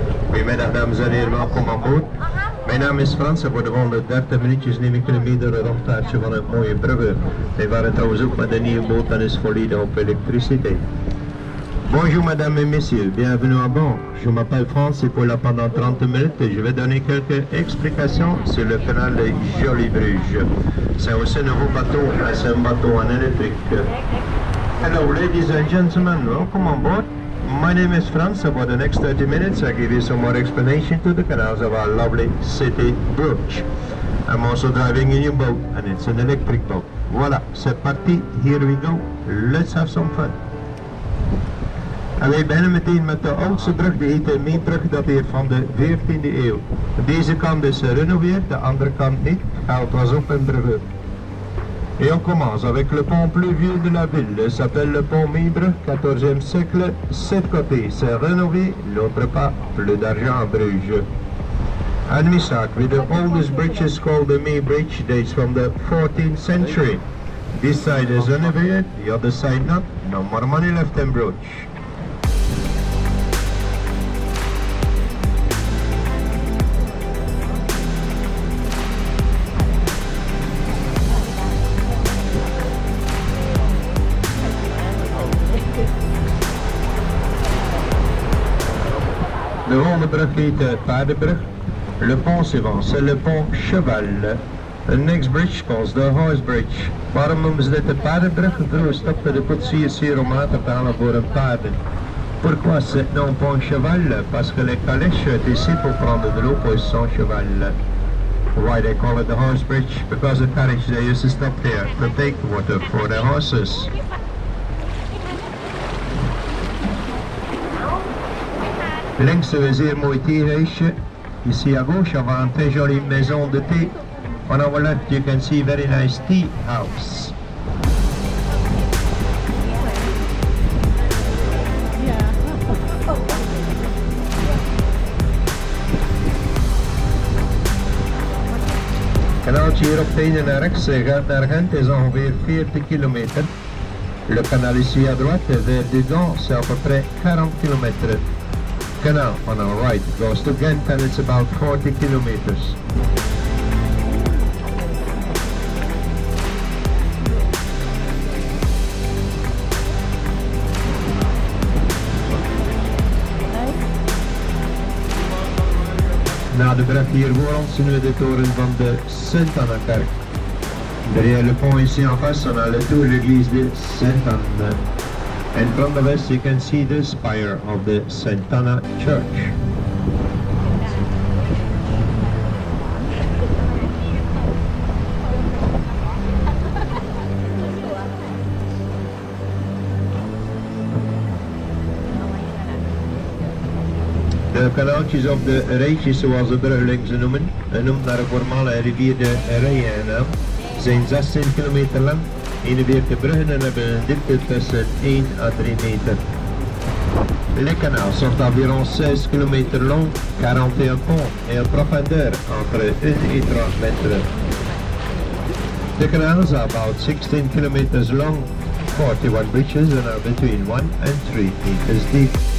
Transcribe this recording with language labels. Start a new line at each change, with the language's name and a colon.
Dutch: Goedemiddag dames en heren, welkom aan boord. Mijn naam is Frans en voor de volgende 30 minuutjes neem ik jullie mee door een rondvaartje van het mooie Brugge. Wij waren trouwens ook met de nieuwe boot en is volledig op elektriciteit.
French: Bonjour madame et messieurs, bienvenue à bord. Je m'appelle France et pour la pendant 30 minutes, je vais donner quelques explications sur le canal de Jolie Bruges. C'est aussi un nouveau bateau, c'est un bateau en électrique.
English: Hello ladies and gentlemen, welcome on board. My name is Frans, and for the next 30 minutes I give you some more explanation to the canals of our lovely city, Bruges. I'm also driving in your boat, and it's an electric boat.
French: Voilà, c'est parti,
English: here we go, let's have some fun.
Dutch: En wij beginnen meteen met de oudste brug, die heet de Meenbrug, dat heet van de 14e eeuw. Deze kant is gerenoveerd, de andere kant niet. Ja, het was op een brug.
French: Et on commence avec le pont plus vieux de la ville. Il s'appelle le pont Mibre, 14e siècle. Cet côté s'est rénové, l'autre pas, plus d'argent à Bruges.
English: And we start with the oldest bridge is called the May Bridge, dates from the 14th century. This side is renovated, the other side not. No more money left in Bruges.
Dutch: De volgende brug heet Paardenbrug.
French: Le pont suivant, c'est le pont cheval.
English: The next bridge calls the horse bridge.
Dutch: Waarom noemen ze dit de paardenbrug? Vroeger stopten de koetsiers hier om aan te halen voor een paarden.
French: Pourquoi c'est non pont cheval? Parce que les calèches étaient ici pour prendre de l'eau pour son cheval.
English: Why they call it the horse bridge? Because the carriage they used to stop here to take water for their horses.
Dutch: Links een zeer mooi theehuisje.
French: Ici à gauche, avant une très jolie maison de thé.
English: On our left, you can see very nice tea house.
Dutch: Kanaaltje hier op de ene naar rechts gaat naar Gent, is ongeveer 40 kilometer.
French: Le canal ici à droite, vers Dugan, c'est à peu près 40 kilometer.
English: The canal on our right goes to Ghent and it's about 40 kilometers.
Dutch: Na de brug hier voor ons zien we de toren van de Sint-Anna-kerk.
French: Derrière le pont ici en face, on a le tour de l'église de Sint-Anna.
English: In front of us you can see the spire of the Santana Church.
Dutch: De kanaaltjes of de rijtjes zoals de Bruglings ze noemen, genoemd naar de voormalige rivier de Rijen, zijn 16 kilometer lang. 41 bruggen en hebben een diepte tussen 1 à 3 meter.
French: Les canals sont environ 16 km long, 41 ponts et en profondeur entre 1 et 3 mètres.
English: The canals are about 16 km long, 41 bridges and are between 1 and 3 meters deep.